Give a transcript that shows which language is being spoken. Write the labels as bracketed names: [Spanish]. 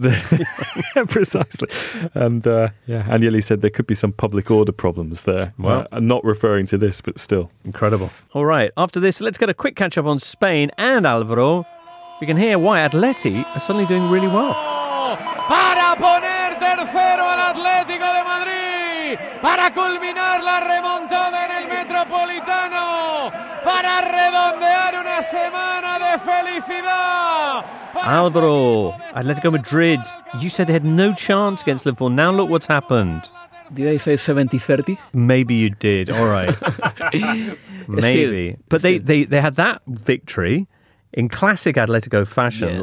[English] Precisely. And Agnelli said there could be some public order problems there. Well, not referring to this, but still. Incredible. All right. After this, let's get a quick catch up on Spain and Alvaro. We can hear why Atleti are suddenly doing really well. [Spanish] Para poner tercero al Atlético de Madrid, para culminar la remontada en el Metropolitano, para redondear una semana de felicidad. [English] Alvaro, Atlético Madrid, you said they had no chance against Liverpool. Now look what's happened. Did I say 70-30? Maybe you did. All right. Maybe. But they had that victory in classic Atlético fashion,